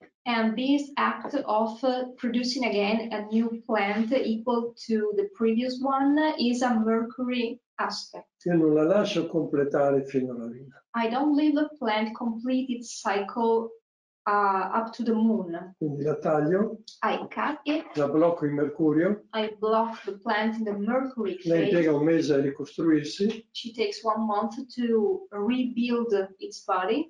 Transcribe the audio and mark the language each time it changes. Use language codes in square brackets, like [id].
[en] And this act of producing again a new plant equal to the previous one is a mercury aspect. [it] Io non la lascio completare fino alla luna. [en] I don't leave the plant complete its cycle up to the moon. [it] Quindi la taglio. [en] I cut it. [it] La blocco in mercurio. [en] I block the plant in the mercury phase. [it] Lei impiega un mese a ricostruirsi. [en] She takes 1 month to rebuild its body.